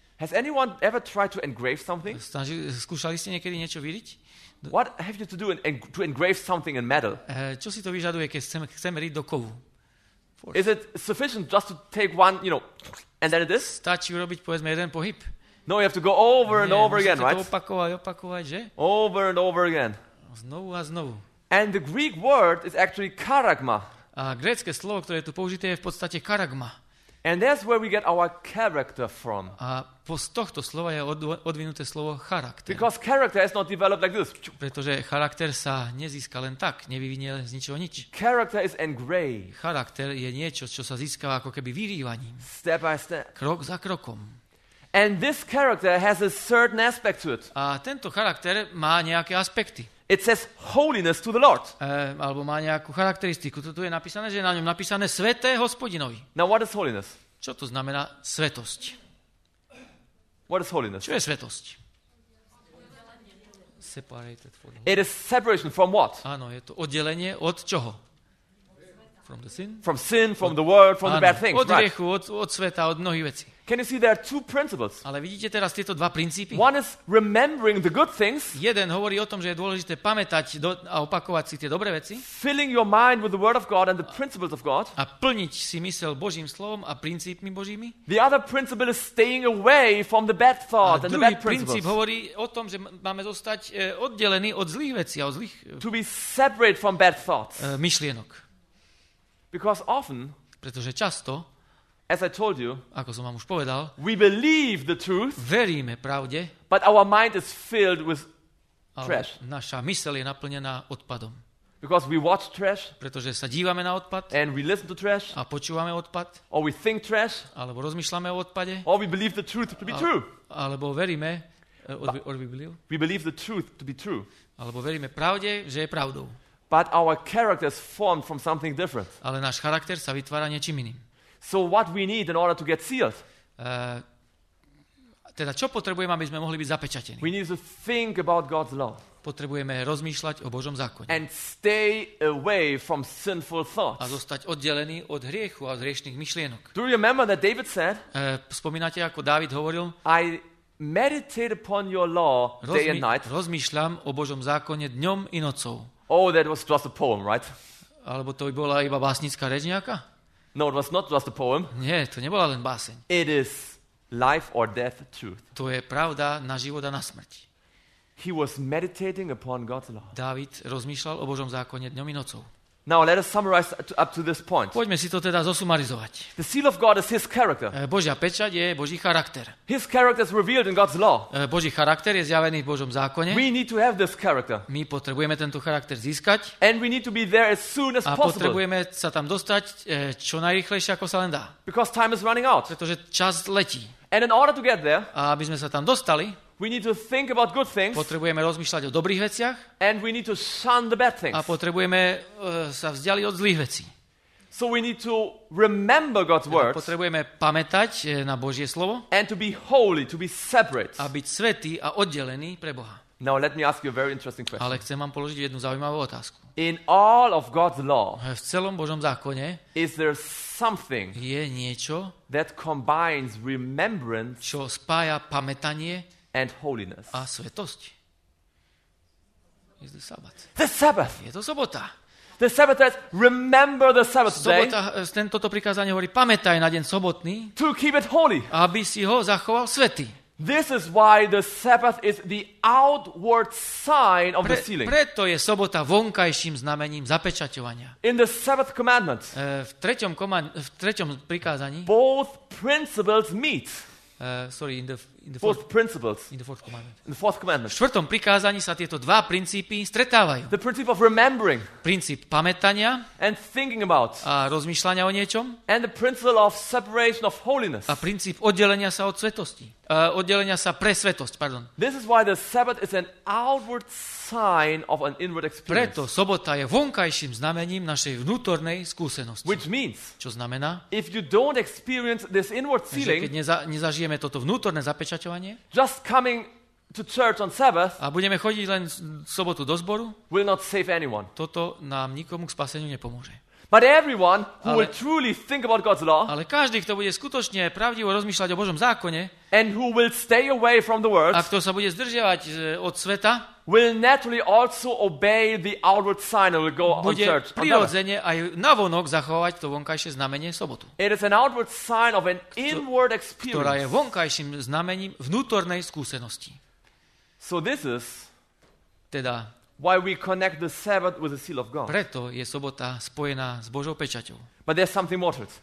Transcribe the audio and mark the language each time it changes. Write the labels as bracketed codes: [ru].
[en] has anyone ever tried to engrave something? [sk] Skúšali ste niekedy niečo vyriť? [en] What have you to do to engrave something in metal? [sk] Čo si to vyžaduje, keď chceme riť do kovu? [en] Force. Is it sufficient just to take one, you know, and then it is? [sk] Stačí urobiť, povedzme, jeden pohyb. [en] No, you have to go over and over again, right? [sk] Musíte to opakovať, že? [en] Over and over again. [sk] Znovu a znovu. [en] And the Greek word is actually karagma. [sk] A grécke slovo, ktoré je tu použité, je v podstate karagma. [en] And that's where we get our character from. [sk] A z tohto slova je odvinuté slovo charakter. [en] Because character is not developed like this. [sk] Pretože charakter sa nezíska len tak, nevyvinie z ničoho nič. [en] Character is engraved. [sk] Charakter je niečo, čo sa získava ako keby vyrývaním. [en] Step by step. [sk] Krok za krokom. [en] And this character has a certain aspect to it. [sk] A tento charakter má nejaké aspekty. [en] It says holiness to the Lord. [sk] Alebo má nejakú charakteristiku. Tu je napísané, že je na ňom napísané sväté hospodinovi. [en] Now what is holiness? [sk] Čo to znamená svetosť? [en] What is holiness? [sk] Čo je svetosť? [en] Separated from. It is separation from what? [sk] Áno, je to oddelenie od čoho? [en] From the sin? From sin, from the world, from the bad things. [sk] Od hriechu, od sveta, od mnohých vecí. [en] Can you see there are two principles? [sk] Ale vidíte teraz tieto dva princípy? [en] One is remembering the good things. [sk] Jeden hovorí o tom, že je dôležité pamätať a opakovať si tie dobré veci. [en] Filling your mind with the word of God and the principles of God. [sk] A plniť si mysel Božím slovom a princípmi Božími. [en] The other principle is staying away from the bad thoughts and the bad principles. [sk] Druhý princíp hovorí o tom, že máme zostať oddelení od zlých vecí a od zlých. [en] To be separate from bad thoughts. [sk] Myšlienok. [en] Because often, [sk] pretože často, [en] as I told you, [sk] ako som vám už povedal, [en] we believe the truth, [sk] veríme pravde, [en] but our mind is filled with trash. [sk] Naša myseľ je naplnená odpadom. [en] Because we watch trash, [sk] pretože sa dívame na odpad, [en] and we listen to trash, [sk] a počúvame odpad, [en] or we think trash, [sk] alebo rozmýšľame o odpade, [en] or we believe the truth to be true. [sk] Alebo veríme, [en] we believe the truth to be true. [sk] Alebo veríme pravde, že je pravdou. [en] But our character is formed from something different. [sk] Ale náš charakter sa vytvára niečím iným. [en] So what we need in order to get sealed? [sk] Teda čo potrebujeme, aby sme mohli byť zapečatení? [en] We need to think about God's law. [sk] Potrebujeme rozmýšľať o Božom zákone. [en] And stay away from sinful thoughts. [sk] A zostať oddelený od hriechu a od hriešnych myšlienok. [en] Do you remember that David said? [sk] Spomínate, ako Dávid hovoril? [en] I meditate upon your law day and night. [sk] Rozmýšľam o Božom zákone dňom i nocou. [en] Oh, that was just a poem, right? [sk] Alebo to by bola iba básnická reč nejaká? [en] No, it was not just a poem. [sk] Nie, to nebola len báseň. [en] It is life or death truth. [sk] To je pravda na život a na smrť. [en] He was meditating upon God's law. [sk] Dávid rozmýšľal o Božom zákone dňom i nocou. [en] Now let us summarize up to this point. [sk] Poďme si to teda zosumarizovať. [en] The seal of God is his character. [sk] Božia pečať je Boží charakter. [en] His character is revealed in God's law. [sk] Boží charakter je zjavený v Božom zákone. [en] We need to have this character. [sk] My potrebujeme tento charakter získať. [en] And we need to be there as soon as possible. [sk] A potrebujeme sa tam dostať čo najrýchlejšie, ako sa len dá. [en] Because time is running out. [sk] Pretože čas letí. [en] And in order to get there, [sk] a aby sme sa tam dostali, [en] we need to think about good things. [sk] Potrebujeme rozmýšľať o dobrých veciach. [en] And we need to shun the bad things. [sk] A potrebujeme sa vzdialiť od zlých vecí. [en] So we need to remember God's word. [sk] Potrebujeme pamätať na Božie slovo. [en] And to be holy, to be separate. [sk] A byť svätý a oddelený pre Boha. [en] Now let me ask you a very interesting question. [sk] Ale chcem vám položiť jednu zaujímavú otázku. [en] In all of God's law. [sk] V celom Božom zákone. [en] Is there something? [sk] Je niečo? [en] That combines remembrance. [sk] Čo spája pamätanie [en] and holiness. [sk] A svetosť. [en] Is the Sabbath. The Sabbath. [sk] Je to sobota. [en] The Sabbath says, remember the Sabbath day. [sk] Tento prikázanie hovorí, pamätaj na deň sobotný. [en] To keep it holy. [sk] Aby si ho zachoval svätý. [en] This is why the Sabbath is the outward sign of the sealing. [sk] Preto je sobota vonkajším znamením zapečaťovania. [en] In the Sabbath commandments. [sk] V treťom prikázaní. [en] Both principles meet. In the fourth commandment. [sk] V štvrtom prikázaní sa tieto dva princípy stretávajú. [en] The principle of remembering. [sk] Princíp pamätania. [en] And thinking about. [sk] A rozmýšľania o niečom. [en] And the principle of separation of holiness. [sk] A princíp oddelenia sa od svetosti. Oddelenia sa pre svetosť, pardon. [en] This is why the Sabbath is an outward sign of an inward experience. [sk] Preto sobota je vonkajším znamením našej vnútornej skúsenosti. [en] Which means, [sk] čo znamená, [en] if you don't experience this inward sealing, [sk] keď nezažijeme toto vnútorné zapečaťovanie, [en] just coming to church on Sabbath, [sk] a budeme chodiť len sobotu do zboru, [en] will not save anyone. [sk] Toto nám nikomu k spaseniu nepomôže. [en] But everyone who will truly think about God's law, [sk] ale každý, kto bude skutočne pravdivo rozmýšľať o Božom zákone, [en] and who will stay away from the world, [sk] a kto sa bude zdržiavať od sveta, [en] will naturally also obey the outward sign and will go on church. [sk] Bude prirodzene aj navonok zachovať to vonkajšie znamenie sobotu. [en] It is an outward sign of an inward experience, [sk] ktorá je vonkajším znamením vnútornej skúsenosti. [en] So this is, [sk] teda, [en] why we connect the Sabbath with the seal of God. [sk] Preto je sobota spojená s Božou pečaťou. [en] But there's something more to it.